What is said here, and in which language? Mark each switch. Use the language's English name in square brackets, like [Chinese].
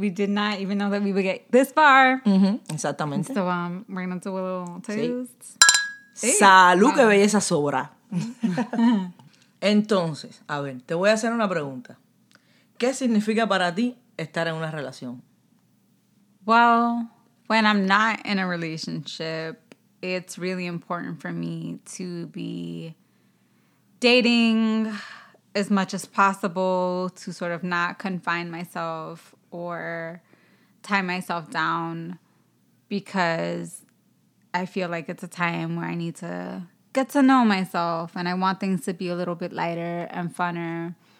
[English] We did not even know that we would get this far. [Spanish] Mm-hmm. Exactamente. [English] So we're going to do a little toast. [Spanish] Sí. Salud, wow. Que belleza sobra. Entonces, a ver, te voy a hacer una pregunta. ¿Qué significa para ti estar en una relación? [English] Well, when I'm not in a relationship, it's really important for me to be dating as much as possible, to sort of not confine myself or tie myself down, because I feel like it's a time where I need to get to know myself, and I want things to be a little bit lighter and funner.